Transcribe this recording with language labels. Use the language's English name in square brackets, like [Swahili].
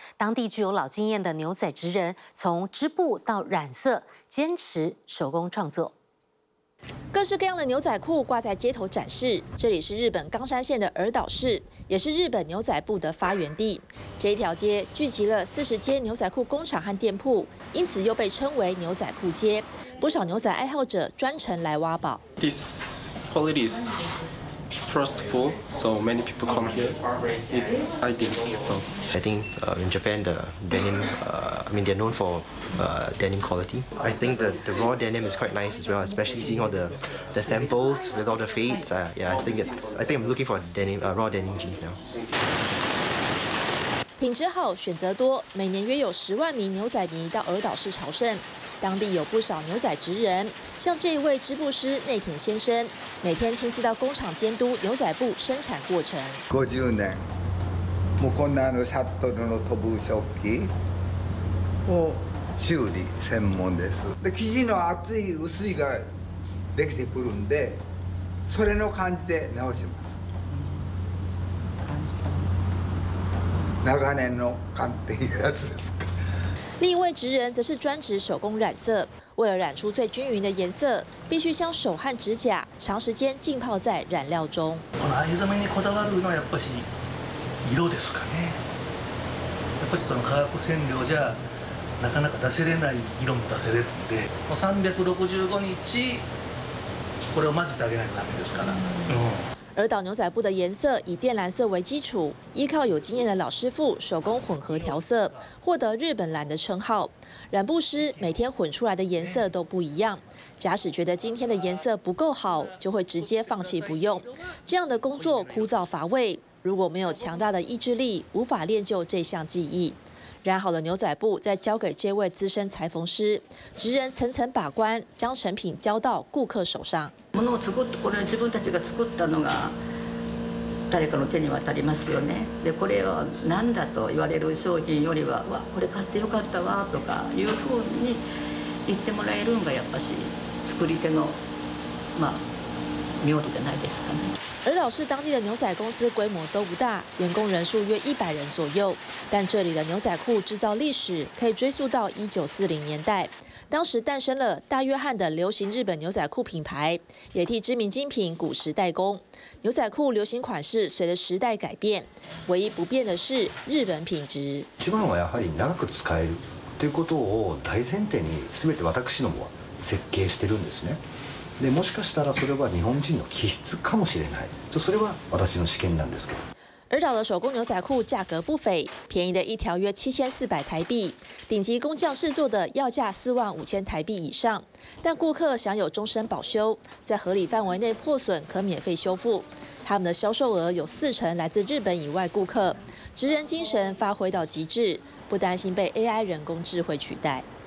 [Chinese] 当地具有老经验的牛仔职人，从织布到染色，坚持手工创作。各式各样的牛仔裤挂在街头展示。这里是日本冈山县的鹅岛市，也是日本牛仔布的发源地。这一条街聚集了40间牛仔裤工厂和店铺，因此又被称为牛仔裤街。不少牛仔爱好者专程来挖宝。 [English] This quality is trustful, so many people come here. It's identical. So I think in Japan the denim, they're known for. Denim quality. I think that the raw denim is quite nice as well, especially seeing all the samples with all the fades. I think I'm looking for denim, raw denim jeans now. [Chinese] 品质好，选择多。每年约有10万名牛仔迷到鹅岛市朝圣。当地有不少牛仔职人，像这一位织布师内田先生，每天亲自到工厂监督牛仔布生产过程。 [Japanese] 50年，もうこんなのシャトルの飛ぶ織機を修理専門です。で、生地の厚い薄いができてくるんで、それの感じで直します。長年の勘っていうやつですか。 [Chinese] 另一位职人则是专职手工染色，为了染出最均匀的颜色，必须将手和指甲长时间浸泡在染料中。 [Japanese] この藍染めにこだわるのはやっぱし色ですかね。やっぱしその化学染料じゃ。なかなか出せれない色も出せれるんで、365日これを混ぜてあげないとダメですから。 [Chinese] 鹅岛牛仔布的颜色以靛蓝色为基础，依靠有经验的老师傅手工混合调色，获得日本蓝的称号。染布师每天混出来的颜色都不一样，假使觉得今天的颜色不够好，就会直接放弃不用。这样的工作枯燥乏味，如果没有强大的意志力，无法练就这项技艺。染好的牛仔布再交给这位资深裁缝师，职人层层把关，将成品交到顾客手上。 [Japanese] ものを作ってこれは自分たちが作ったのが誰かの手に渡りますよね。でこれは何だと言われる商品よりは、わこれ買ってよかったわとかいうふうに言ってもらえるのがやっぱし作り手のまあ妙理じゃないですかね。 [Chinese] 鹅岛市当地的牛仔公司规模都不大，员工人数约100人左右。但这里的牛仔裤制造历史可以追溯到1940年代，当时诞生了大约翰的流行日本牛仔裤品牌，也替知名精品古时代工。牛仔裤流行款式随着时代改变，唯一不变的是日本品质。 [Japanese] 一番はやはり長く使えるということを大前提に、すべて私どもは設計してるんですね。でもしかしたらそれは日本人の気質かもしれない。それは私の試験なんですけど。 [Chinese] 鹅岛的手工牛仔裤价格不菲，便宜的一条约7400台币，顶级工匠制作的要价45000台币以上。但顾客享有终身保修，在合理范围内破损可免费修复。他们的销售额有40%来自日本以外顾客，职人精神发挥到极致，不担心被 AI 人工智慧取代。